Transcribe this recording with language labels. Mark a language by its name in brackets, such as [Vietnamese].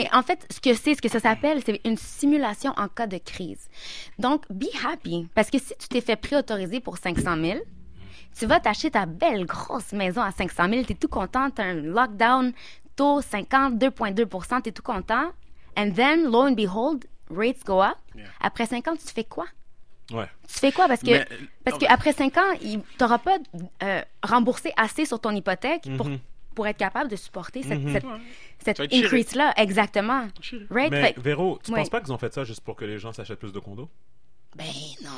[French] Mais en fait, ce que ça s'appelle, c'est une simulation en cas de crise. Donc, [English] be happy. [French] Parce que si tu t'es fait préautoriser pour 500 000, tu vas t'acheter ta belle grosse maison à 500 000, t'es tout content, t'as un lockdown taux 52,2%, t'es tout content. [English] And then, lo and behold, rates go up. [French] Yeah. Après 5 ans, tu fais quoi? Ouais. Tu fais quoi? Parce qu'après 5 ans, t'auras pas remboursé assez sur ton hypothèque pour être capable de supporter cette increase-là. Exactement. Right? Mais Véro, tu penses pas qu'ils ont fait ça juste pour que les gens s'achètent plus de condos? Ben non.